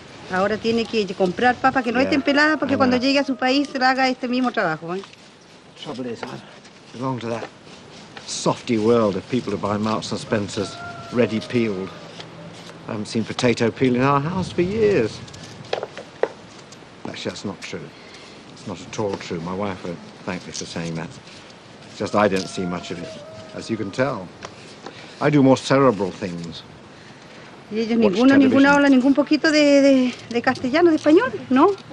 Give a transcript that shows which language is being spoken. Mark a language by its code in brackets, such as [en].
[es] Ahora tiene que comprar papas que no estén peladas porque cuando llegue a su país se haga este mismo trabajo. [en] Trouble is, I belong to that softy world of people who buy Marks and Spencer's ready peeled. I haven't seen potato peel in our house for years. Actually, that's not true. It's not at all true. My wife won't thank me for saying that. It's just I don't see much of it, as you can tell. I do more cerebral things. [es] Y ellos ninguno habla ningún poquito de castellano, de español, ¿no?